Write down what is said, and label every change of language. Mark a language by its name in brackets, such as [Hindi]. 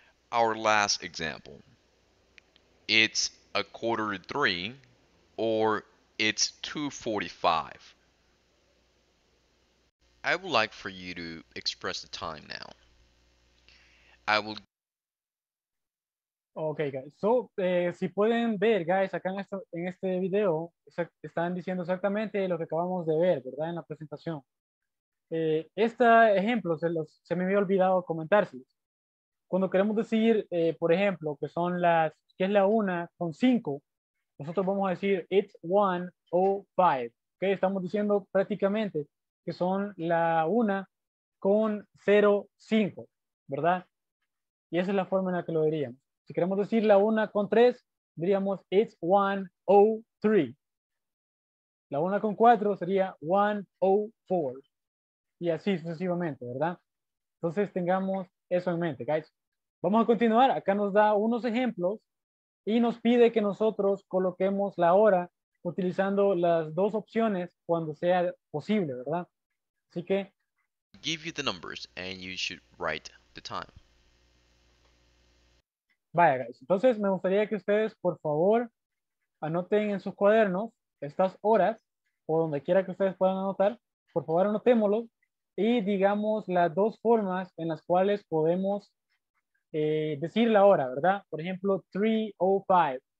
[English] Our last example, it's 2:45, or it's 2:45. I would like for you to express the time now. I will. Okay, guys. [Spanish] So, si pueden ver, guys, acá en este video, están diciendo exactamente lo que acabamos de ver, ¿verdad? En la presentación. Este ejemplo se me había olvidado comentárselos. Cuando queremos decir, por ejemplo, que son las, que es la 1:05, nosotros vamos a decir, [English] it's 1:05. [Spanish] ¿Okay? Estamos diciendo prácticamente que son la 1:05, ¿verdad? Y esa es la forma en la que lo diríamos. Si queremos decir la 1:03, diríamos, [English] it's 1:03. [Spanish] La 1:04 sería 1:04. Y así sucesivamente, ¿verdad? Entonces tengamos eso en mente, guys. Vamos a continuar. Acá nos da unos ejemplos y nos pide que nosotros coloquemos la hora utilizando las dos opciones cuando sea posible, ¿verdad? Así que... [English] Give you the numbers and you should write the time. [Spanish] Vaya, guys. Entonces me gustaría que ustedes, por favor, anoten en sus cuadernos estas horas o donde quiera que ustedes puedan anotar. Por favor, anotémoslo y digamos las dos formas en las cuales podemos decir la hora, ¿verdad? Por ejemplo, 3:05.